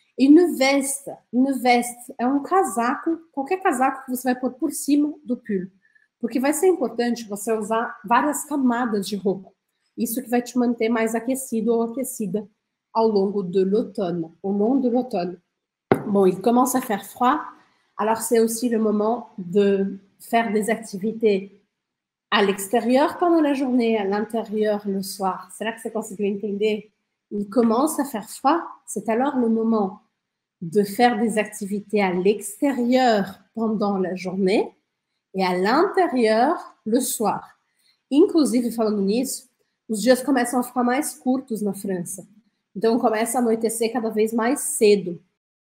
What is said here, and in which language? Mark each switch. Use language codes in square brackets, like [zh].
[pt] E [fr] une veste, une veste [pt] é um casaco, qualquer casaco que você vai pôr por cima do pull. Porque vai ser importante você usar várias camadas de roupa. Isso que vai te manter mais aquecido ou aquecida ao longo do outono. [fr] Au long de l'automne. Bom, il commence à faire froid. Alors, c'est aussi le moment de faire des activités À l'extérieur pendant la journée, à l'intérieur le soir. C'est là que ça commence, vous entendez? Il commence à faire froid. C'est alors le moment de faire des activités à l'extérieur pendant la journée et à l'intérieur le soir. [pt] Inclusive, falando nisso, os dias começam a ficar mais curtos na França. Então começa a anoitecer cada vez mais cedo.